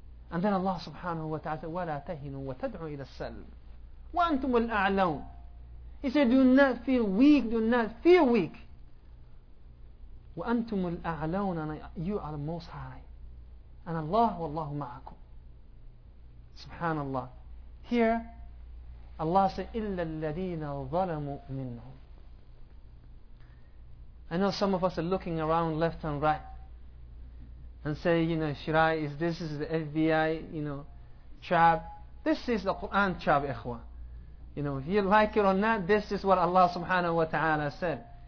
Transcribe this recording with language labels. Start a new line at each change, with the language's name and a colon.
English: And then Allah subhanahu wa ta'ala said,
Arabic: وَلَا تَهِنُوا وَتَدْعُوا إِلَى السَّلْمِ وَأَنْتُمُ الْأَعْلَوْنَ.
English: He said, do not feel weak, do not feel weak.
Arabic: وَأَنْتُمُ الْأَعْلَوْنَ.
English: You are the most high. And Allah,
Arabic: وَاللَّهُ مَعَكُمْ.
English: Subhanallah. Here, Allah said,
Arabic: إِلَّا الَّذِينَ ظَلَمُوا مِنْهُمْ.
English: I know some of us are looking around left and right and say, you know, Shirai, this is the FBI, you know, trap. This is the Quran trap, ikhwan. You know, if you like it or not, this is what Allah subhanahu wa ta'ala said.